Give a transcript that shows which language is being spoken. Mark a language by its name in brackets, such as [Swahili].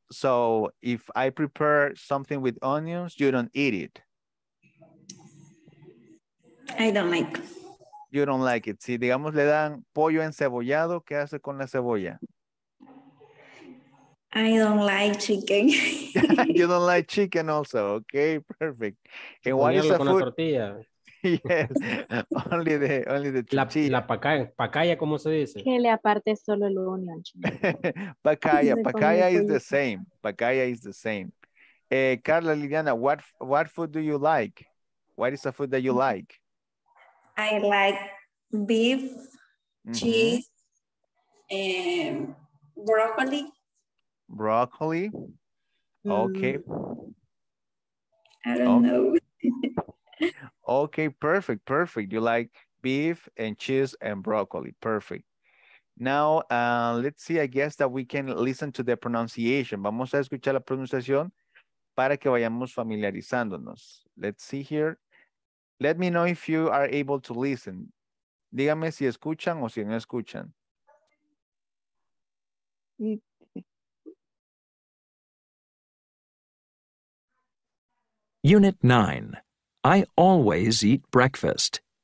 [English] So if I prepare something with onions, you don't eat it. I don't like. You don't like it. [Spanish] Si, digamos, le dan pollo encebollado, ¿qué hace con la cebolla? [English] I don't like chicken. You don't like chicken also. Okay, perfect. And what is the food? La tortilla. Yes, only the [Spanish] chicken. La pacaya, ¿cómo se dice? Que le aparte solo el onion. [English] pacaya is the same. Pacaya is the same. Carla Liliana, what food do you like? What is the food that you like? I like beef, cheese, and broccoli. Broccoli? Okay. I don't know. Okay, perfect, perfect. You like beef and cheese and broccoli. Perfect. Now, let's see, I guess that we can listen to the pronunciation. [Spanish] Vamos a escuchar la pronunciación para que vayamos familiarizándonos. [English] Let's see here. Let me know if you are able to listen. [Spanish] Dígame si escuchan o si no escuchan. [English] Unit 9. I always eat breakfast.